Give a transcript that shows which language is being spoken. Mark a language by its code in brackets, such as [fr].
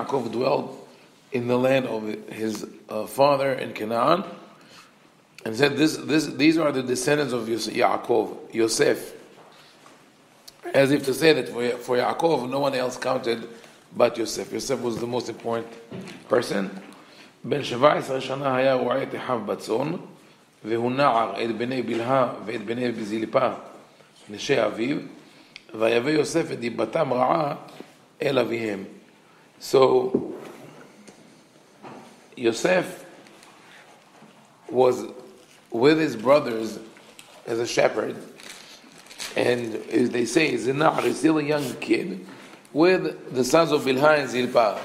[en] Yaakov dwelled in the land of his father in Kenaan, and said, "These are the descendants of Yosef." As if to say that for Yaakov, no one else counted but Yosef. Yosef was the most important person. [he] בן 17 שנה היה רועה את אחיו בצון, והוא נער את בני בלהה ואת בני בזלפה, נשי אביו, ויבא יוסף את דיבתם רעה אל אביהם. [en] So, Yosef was with his brothers as a shepherd, and as they say, the נער is still a young kid, with the sons of Bilhah and Zilpah.